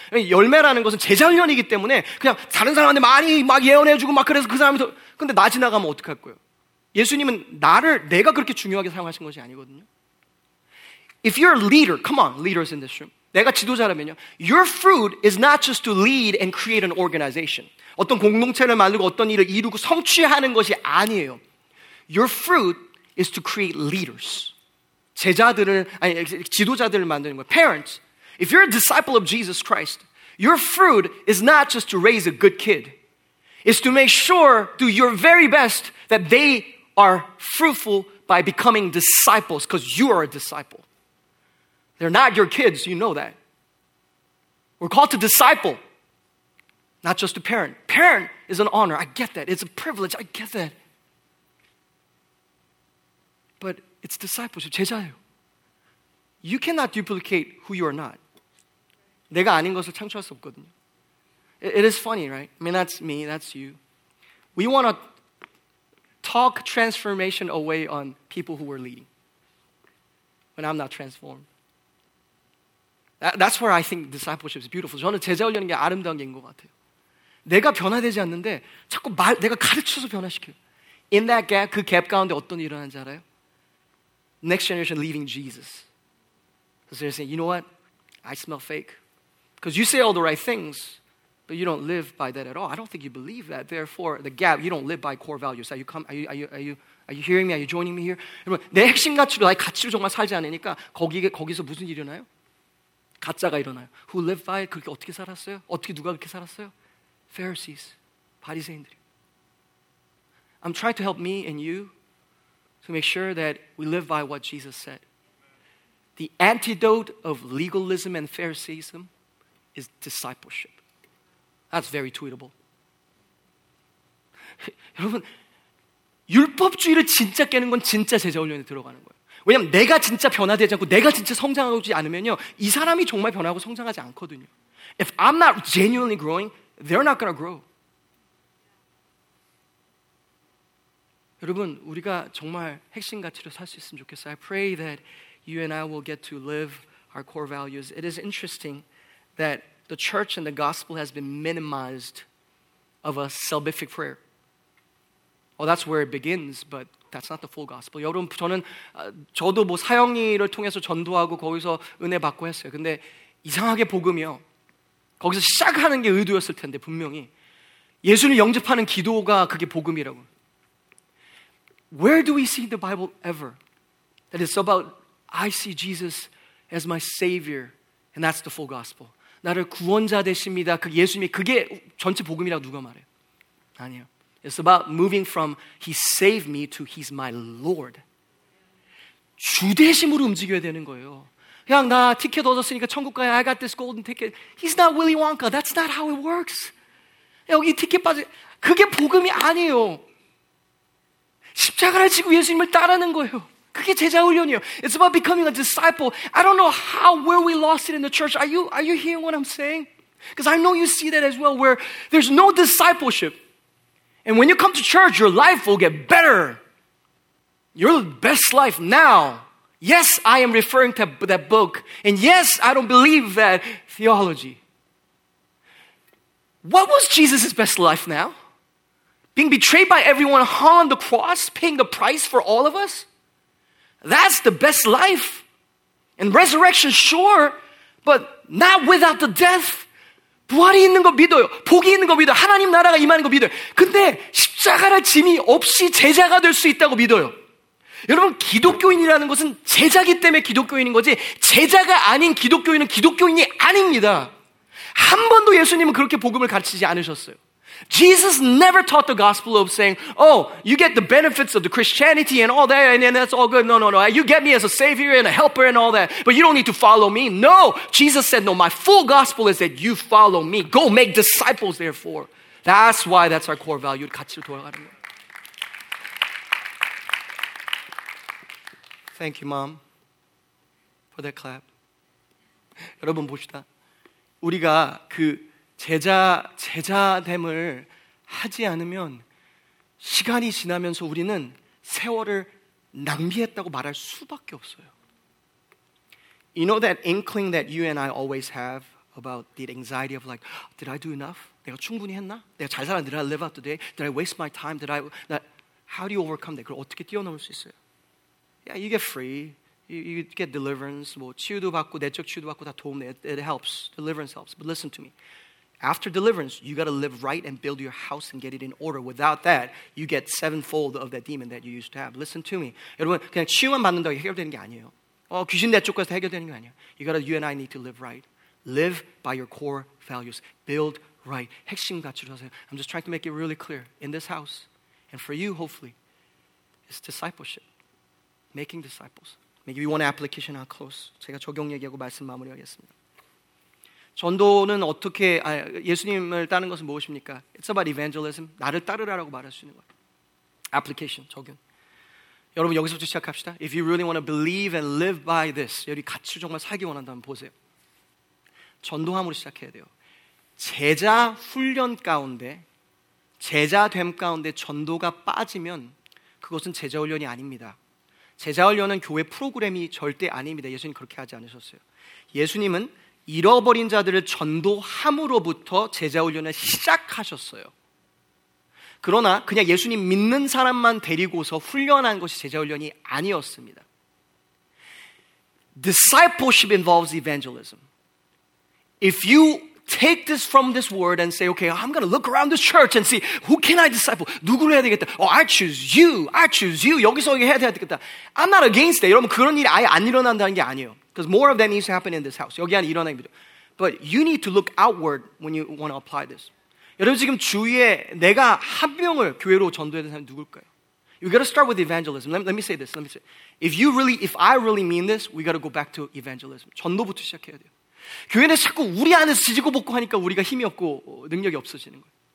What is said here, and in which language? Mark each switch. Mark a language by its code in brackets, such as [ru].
[ko] 열매라는 것은 제자 훈련이기 때문에 그냥 다른 사람한테 많이 막 예언해주고 막 그래서 그 사람이 더 근데 나 지나가면 어떡할 거예요? 예수님은 나를 내가 그렇게 중요하게 사용하신 것이 아니거든요. [en] If you're a leader, come on, leaders in this room. [ko] 내가 지도자라면요. [en] Your fruit is not just to lead and create an organization. [ko] 어떤 공동체를 만들고 어떤 일을 이루고 성취하는 것이 아니에요. [en] Your fruit is to create leaders. [ko] 제자들을 아니 지도자들을 만드는 거예요. [en] Parents, if you're a disciple of Jesus Christ, your fruit is not just to raise a good kid. It's to make sure, do your very best, that they are fruitful by becoming disciples, because you are a disciple. They're not your kids, you know that. We're called to disciple, not just a parent. Parent is an honor, I get that. It's a privilege, I get that. But it's discipleship, [ko] 제자예요. [en] You cannot duplicate who you are not. [ko] 내가 아닌 것을 창조할 수 없거든요. [en] It is funny, right? I mean, that's me, that's you. We want to talk transformation away on people who are leading when I'm not transformed. That's where I think discipleship is beautiful. [ko] 저는 제자 훈련하는 게 아름다운 게인 것 같아요. 내가 변화되지 않는데 자꾸 말, 내가 가르쳐서 변화시켜요. [en] In that gap, [ko] 그 갭 가운데 어떤 일이 일어나는지 알아요? [en] Next generation leaving Jesus. So they're saying, you know what? I smell fake. Because you say all the right things, but you don't live by that at all. I don't think you believe that. Therefore, the gap, you don't live by core values. Are you hearing me? Are you joining me here? [ko] 여러분, 내 핵심 가치로, 나의 가치로 정말 살지 않으니까 거기서 무슨 일이 일어나요? 가짜가 일어나요. [en] Who lived by it? [ko] 그렇게 어떻게 살았어요? 어떻게 누가 그렇게 살았어요? Pharisees, 바리새인들이. [en] I'm trying to help me and you to make sure that we live by what Jesus said. The antidote of legalism and Phariseeism is discipleship. That's very tweetable. [ko] 여러분, 율법주의를 진짜 깨는 건 진짜 제자 훈련에 들어가는 거예요. 왜냐하면 내가 진짜 변화되지 않고 내가 진짜 성장하지 않으면요, 이 사람이 정말 변하고 성장하지 않거든요. [en] If I'm not genuinely growing, they're not going to grow. [ko] 여러분, 우리가 정말 핵심 가치로 살 수 있으면 좋겠어요. [en] I pray that you and I will get to live our core values. It is interesting that the church and the gospel has been minimized of a salvific prayer. Well, that's where it begins, but that's not the full gospel. [ko] 여러분, 저는 저도 뭐 사형리를 통해서 전도하고 거기서 은혜 받고 했어요. 근데 이상하게 복음이요, 거기서 시작하는 게 의도였을 텐데 분명히 예수님 영접하는 기도가 그게 복음이라고. [en] Where do we see the Bible ever that it's about I see Jesus as my Savior and that's the full gospel? [ko] 나를 구원자 되십니다. 그 예수님이 그게 전체 복음이라고 누가 말해요? 아니요. [en] It's about moving from He saved me to He's my Lord. [ko] 주 되심으로 움직여야 되는 거예요. 그냥 나 티켓 얻었으니까 천국 가야. [en] I got this golden ticket. He's not Willy Wonka. That's not how it works. [ko] 여기 티켓 빠져. 그게 복음이 아니에요. 십자가를 지고 예수님을 따르는 거예요. 그게 제자 훈련이에요. [en] It's about becoming a disciple. I don't know how, where we lost it in the church. Are you hearing what I'm saying? Because I know you see that as well, where there's no discipleship. And when you come to church, your life will get better. Your best life now. Yes, I am referring to that book. And yes, I don't believe that theology. What was Jesus' best life now? Being betrayed by everyone, hung on the cross, paying the price for all of us? That's the best life. And resurrection, sure, but not without the death. [ko] 부활이 있는 거 믿어요. 복이 있는 거 믿어요. 하나님 나라가 임하는 거 믿어요. 근데 십자가라 짐이 없이 제자가 될 수 있다고 믿어요. 여러분, 기독교인이라는 것은 제자기 때문에 기독교인인 거지 제자가 아닌 기독교인은 기독교인이 아닙니다. 한 번도 예수님은 그렇게 복음을 가르치지 않으셨어요. [en] Jesus never taught the gospel of saying, oh, you get the benefits of the Christianity and all that, and that's all good. No, no, no. You get me as a savior and a helper and all that, but you don't need to follow me. No, Jesus said, no, my full gospel is that you follow me. Go make disciples, therefore. That's why that's our core value, [ko] 가치를 돌아가는 거예요. [en] Thank you, Mom, for that clap. [ko] 여러분, 봅시다. 우리가 그 제자됨을 하지 않으면 시간이 지나면서 우리는 세월을 낭비했다고 말할 수밖에 없어요. [en] You know that inkling that you and I always have about the anxiety of like, did I do enough? [ko] 내가 충분히 했나? 내가 잘 살았나? [en] Did I live up today? Did I waste my time? How do you overcome that? [ko] 그걸 어떻게 뛰어넘을 수 있어요? [en] Yeah, you get free. You get deliverance. [ko] 뭐 치유도 받고 내적 치유도 받고 다 도움 돼. [en] It helps. Deliverance helps. But listen to me. After deliverance, you got to live right and build your house and get it in order. Without that, you get sevenfold of that demon that you used to have. Listen to me. [ko] 여러분, 그냥 치유만 받는다고 해결되는 게 아니에요. 귀신 내쫓고서 해결되는 게 아니에요. [en] You and I need to live right. Live by your core values. Build right. [ko] 핵심 가치로 하세요. [en] I'm just trying to make it really clear. In this house, and for you, hopefully, it's discipleship. Making disciples. Maybe one application, I'll close. [ko] 제가 적용 얘기하고 말씀 마무리하겠습니다. 전도는 어떻게, 예수님을 따는 것은 무엇입니까? [en] It's about evangelism. [ko] 나를 따르라라고 말할 수 있는 거예요. Application, 적용. 여러분, 여기서부터 시작합시다. [en] If you really want to believe and live by this, [ko] 여기 같이 정말 살기 원한다면 보세요. 전도함으로 시작해야 돼요. 제자 훈련 가운데, 제자 됨 가운데 전도가 빠지면 그것은 제자 훈련이 아닙니다. 제자 훈련은 교회 프로그램이 절대 아닙니다. 예수님 그렇게 하지 않으셨어요. 예수님은 잃어버린 자들을 전도함으로부터 제자 훈련을 시작하셨어요. 그러나 그냥 예수님 믿는 사람만 데리고서 훈련한 것이 제자 훈련이 아니었습니다. [en] Discipleship involves evangelism. If you take this from this word and say, okay, I'm going to look around this church and see, who can I disciple? [ko] 누구를 해야 되겠다? [en] Oh, I choose you. I choose you. [ko] 여기서 해야 되겠다. [en] I'm not against it. [ko] 여러분, 그런 일이 아예 안 일어난다는 게 아니에요. [en] Because more of that needs to happen in this house. [ko] 여기 안에 일어나는 게 아니에요. [en] But you need to look outward when you want to apply this. [ko] 여러분, 지금 주위에 내가 한 명을 교회로 전도해야 되는 사람이 누굴까요? [en] You got to start with evangelism. Let me say this. If I really mean this, we got to go back to evangelism. [ko] 전도부터 시작해야 돼요. 교회는 자꾸 우리 안에 지지고 볶고 하니까 우리가 힘이 없고 능력이 없어지는 거예요.